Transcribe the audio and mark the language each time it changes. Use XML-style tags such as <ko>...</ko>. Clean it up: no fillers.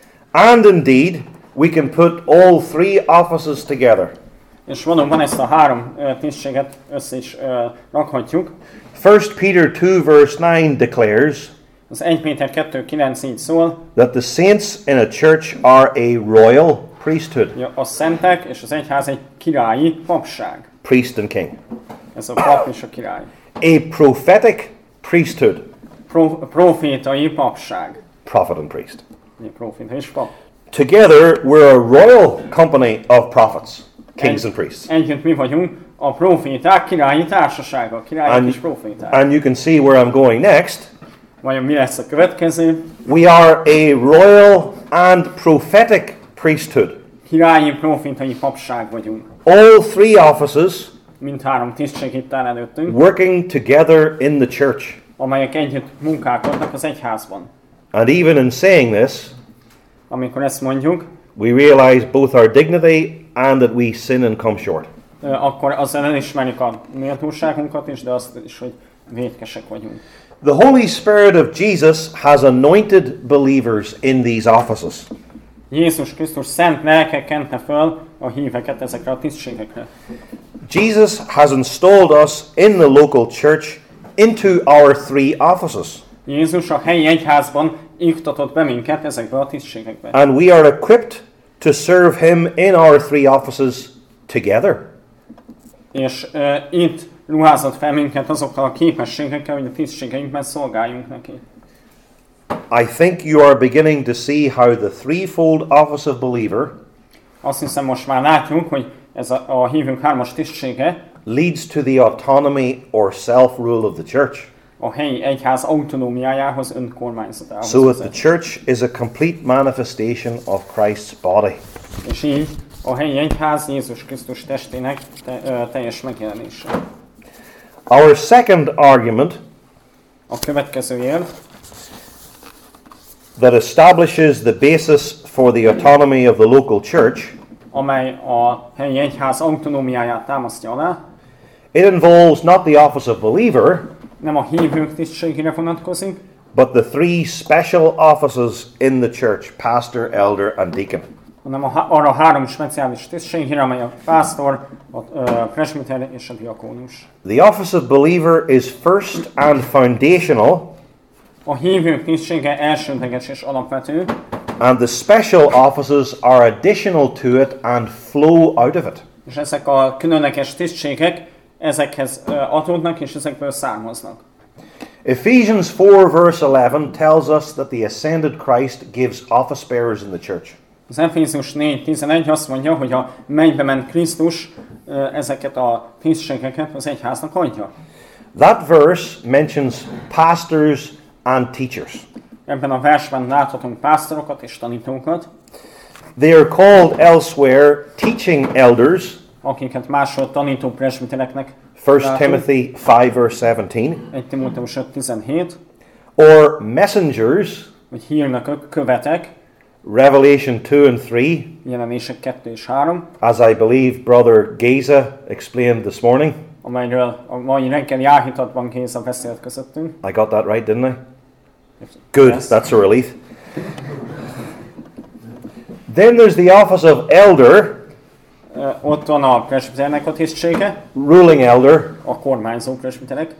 <en>And indeed, we can put all three offices together.</en> <hu>És valóban ezt a három tisztséget össze is rakhatjuk.</hu> <en>1 Peter 2 verse 9 declares.</en> <hu>Az 1 Péter 2:9 így szól.</hu> <en>That the saints in a church are a royal priesthood.</en> <hu>Ja, a szentek és az egyház egy királyi papság.</hu> <en>Priest and king.</en> <hu>Ez a pap és a király.</hu> <en>A prophetic priesthood.</en> <hu>Profétai papság.</hu> <en>Prophet and priest.</en> <hu>Prophet and pap.</hu> <en>Together we're a royal company of prophets, kings and priests.</en> <hu>Együtt mi vagyunk a proféták királyi társasága, királyi és proféták.</hu> <en>And you can see where I'm going next.</en> <hu>Vajon mi lesz a következő?</hu> <en>We are a royal and prophetic priesthood.</en> <hu>Királyi profétai papság vagyunk.</hu> <en>All three offices.</en> <hu>Mint három tisztség itt áll előttünk.</hu> <en>Working together in the church.</en> <hu>Amelyek együtt munkálkodnak az egyházban.</hu> <en>And even in saying this,</en> <hu>amikor ezt mondjuk,</hu> <en>we realize both our dignity and that we sin and come short.</en> <hu>Akkor azzal elismerjük a méltóságunkat is, de azt is, hogy vétkesek vagyunk.</hu> <en>The Holy Spirit of Jesus has anointed believers in these offices.</en> <hu>Jézus Krisztus szent lelke kente föl a híveket ezekre a tisztségekre.</hu> <en>Jesus has installed us in the local church into our three offices.</en> <hu>Jézus a helyi egyházban iktatott be minket ezekbe a tisztségekbe.</hu> <en>And we are equipped to serve him in our three offices together.</en> <hu>És itt ruházott fel minket azokkal a képességekkel, hogy a tisztségeinkben szolgáljunk neki.</hu> <en>I think you are beginning to see how the threefold office of believer,</en> <hu>azt hiszem most már látjuk, hogy ez a hívünk hármas tisztsége,</hu> <en>leads to the autonomy or self-rule of the church.</en> <hu>A helyi egyház autonómiájához, önkormányzatához.</hu> <en>So that the church is a complete manifestation of Christ's body.</en> <hu>És így a helyi egyház Jézus Krisztus testének teljes megjelenése.</hu> <en>Our second argument,</en> <hu>a következő érv,</hu> <en>that establishes the basis for the autonomy of the local church,</en> <hu>amely a helyi egyház autonómiáját támasztja alá,</hu> <en>it involves not the office of believer,</en> <hu>nem a hívők tisztségére vonatkozik,</hu> <en>but the three special offices in the church, pastor, elder and deacon.</en> <hu>Hanem arra három speciális tisztségére, amely a pásztor, a presbiter és a diakónus.</hu> <en>The office of believer is first and foundational.</en> <hu>A hívők tisztsége elsődleges és alapvető.</hu> <en>And the special offices are additional to it and flow out of it.</en> <hu>És ezek a különleges tisztségek ezekhez adódnak és ezekből származnak.</hu> <en>Ephesians 4 verse 11 tells us that the ascended Christ gives office bearers in the church.</en> <hu>Az Efézus 4:11 azt mondja, hogy a mennybe ment Krisztus ezeket a tisztségeket az egyháznak adja.</hu> <en>That verse mentions pastors and teachers.</en> <hu>Ebben a versben láthatunk pásztorokat és tanítókat.</hu> <en>They are called elsewhere teaching elders.</en> <hu>Akiket máshol tanító presbitereknek.</hu> <en>1 Timothy 5 verse 17.</en> <hu>1 Timóteus 5:17.</hu> <en>Or messengers.</en> <hu>Vagy hírnökök, követek.</hu> <en>Revelation 2 and 3.</en> <hu>Jelenések 2 és 3.</hu> <en>As I believe Brother Géza explained this morning.</en> <hu>Amelyről a mai reggeli áhítatban Géza beszélt közöttünk.</hu> <en>I got that right, didn't I? Good, yes. That's a relief. Then there's the office of elder.</en> <hu>Ott van a presbiternek a tisztsége.</hu> <en>Ruling elder.</en> <hu>A kormányzó presbiternek.</hu>